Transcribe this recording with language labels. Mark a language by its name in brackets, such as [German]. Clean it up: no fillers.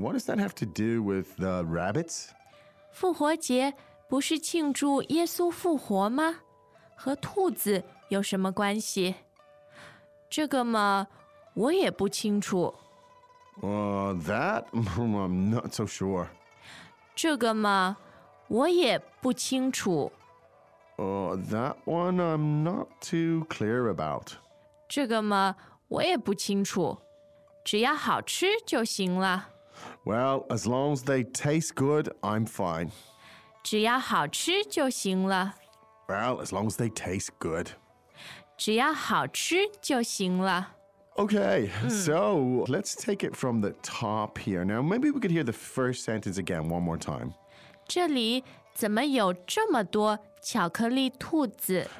[English] What does that have to do with the rabbits? [Chinese] 复活节不是庆祝耶稣复活吗? 和兔子有什么关系?这个吗? 我也不清楚。 [English] That? I'm not so sure. [Chinese] 这个吗?我也不清楚。 [English] That one I'm not too clear about. [Chinese] 这个吗?我也不清楚。只要好吃就行了。 [English] Well, as long as they taste good, I'm fine. [Chinese] 只要好吃就行了。 [English] Well, as long as they taste good. [Chinese] 只要好吃就行了。 [English] Okay, so let's take it from the top here. Now, maybe we could hear the first sentence again one more time. [Chinese] 这里怎么有这么多巧克力兔子?